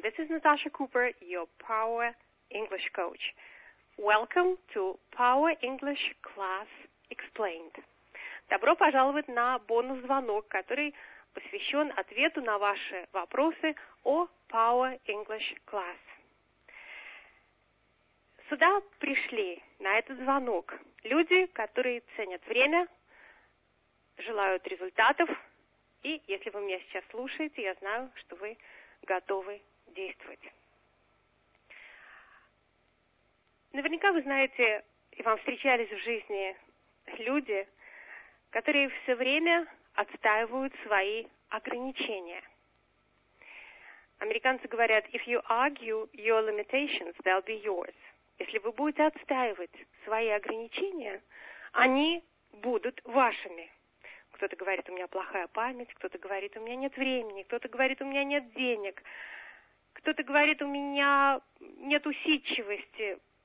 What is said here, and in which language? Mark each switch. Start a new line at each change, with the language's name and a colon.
English: This is Natasha Cooper, your Power English Coach. Welcome to Power English Class Explained.
Russian: Добро пожаловать на бонус-звонок, который посвящен ответу на ваши вопросы о Power English Class. Сюда пришли на этот звонок люди, которые ценят время, желают результатов. И если вы меня сейчас слушаете, я знаю, что вы готовы действовать. Наверняка вы знаете, и вам встречались в жизни люди, которые все время отстаивают свои ограничения. Американцы говорят,
English: if you argue your limitations, they'll be yours.
Russian: Если вы будете отстаивать свои ограничения, они будут вашими. Кто-то говорит, у меня плохая память, кто-то говорит, у меня нет времени, кто-то говорит, у меня нет денег, кто-то говорит, у меня нет усидчивости.